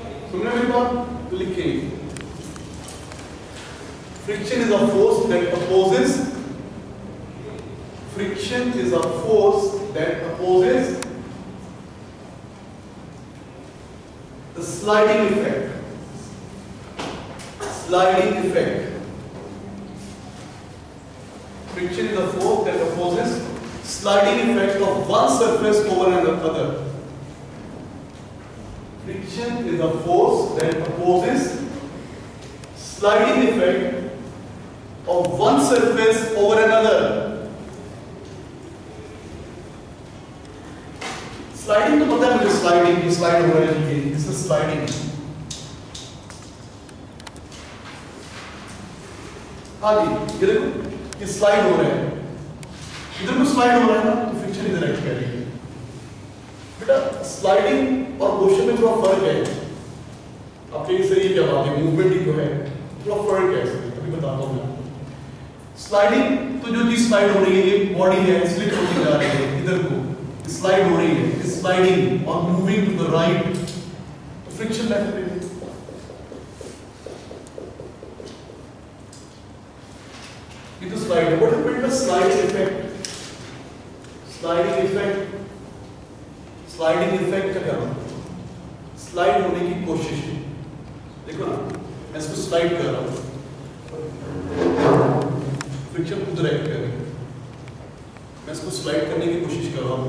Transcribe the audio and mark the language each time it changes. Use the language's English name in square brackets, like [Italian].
[Hindi] सुन रहे हो मेरी बात, लिखें [English] Friction is a force that opposes, friction is a force that opposes the sliding effect, sliding effect, friction is a force that opposes sliding effect of one surface over another. Friction is a force that opposes sliding effect of one surface over another. [Hindi] Sliding to pata hai mujhe, sliding ki slide ho rahi hai, [English] this is sliding. [Hindi] Haan ji, ye dekho कि slide हो रहे हैं, इधर को slide हो रहा है ना, तो फ्रिक्शन इधर एक्ट कर रही है। बेटा स्लाइडिंग और मोशन में थोड़ा फर्क है, आप कहेंगे सर ये क्या बात है, मूवमेंट ही तो है, थोड़ा फर्क है इसमें, अभी बताता हूँ मैं। स्लाइडिंग तो जो चीज स्लाइड हो रही है, ये बॉडी है, स्लिप होती जा रही है, इधर को स्लाइड हो रही है, स्लाइडिंग और [English] moving to the right, [Hindi] तो फ्रिक्शन लेफ्ट पे। [English] It is slide. What happened to slide effect? Sliding effect. [Hindi] Sliding effect क्या करूँ? Slide होने की कोशिश है। देखो ना, मैं इसको slide कर रहा हूँ। Friction उधर एक्ट कर रही है। मैं इसको slide करने की कोशिश कर रहा हूँ।